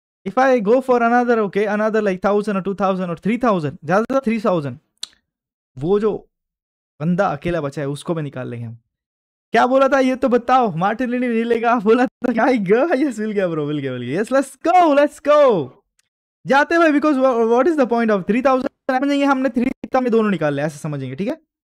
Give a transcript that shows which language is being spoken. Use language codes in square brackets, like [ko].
[en] If I go for another, okay, another like 1000 or 2000 or 3000, [hi] ज़्यादा 3000, वो जो बंदा अकेला बचा है उसको मैं निकाल लेंगे हम। क्या बोला था ये तो बताओ, मार्टिन मिलेगा बोला था क्या? Yes, मिल गया ब्रो, मिल गया मिल गया। [en] Yes, let's go. [hi] जाते भाई, [en] because what is the point of 3000? [hi] समझेंगे हमने 3000 में दोनों निकाल ले, ऐसे समझेंगे, ठीक है?